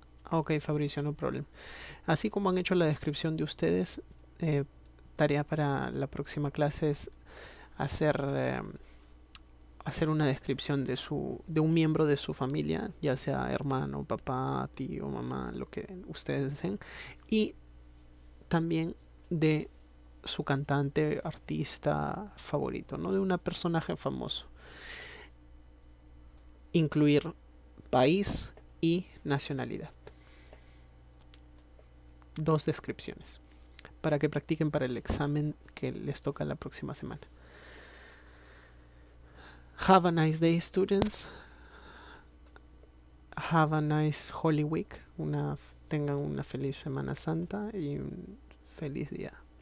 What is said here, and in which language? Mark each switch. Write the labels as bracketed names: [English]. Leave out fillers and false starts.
[Spanish] Ok, Fabricio, [English] no problem. [Spanish] Así como han hecho la descripción de ustedes, tarea para la próxima clase es hacer una descripción de un miembro de su familia, ya sea hermano, papá, tío, mamá, lo que ustedes deseen, y también de su cantante, artista favorito, no de un personaje famoso. Incluir país y nacionalidad. Dos descripciones para que practiquen para el examen que les toca la próxima semana. [English] Have a nice day, students. Have a nice Holy Week. [Spanish] Tengan una feliz Semana Santa y un feliz día.